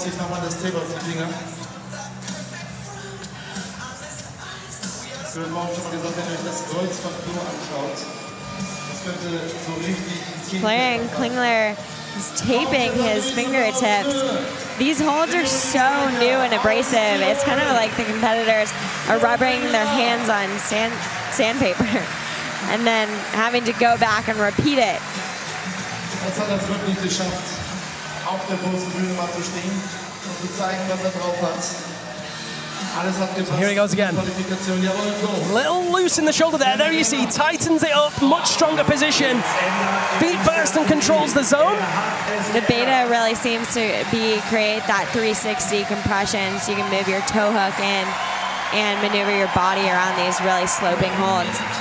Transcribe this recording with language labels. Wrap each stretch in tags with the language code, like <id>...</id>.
<en>Florian Klingler is taping his fingertips. These holds are so new and abrasive. It's kind of like the competitors are rubbing their hands on sandpaper. And then having to go back and repeat it.</en> <de>Auf der großen Bühne mal zu stehen und zu zeigen, was drauf hat.</de> <en>Here he goes again. Little loose in the shoulder there. There you see, tightens it up, much stronger position. Feet first and controls the zone. The beta really seems to be create that 360 compression, so you can move your toe hook in and maneuver your body around these really sloping holds.</en>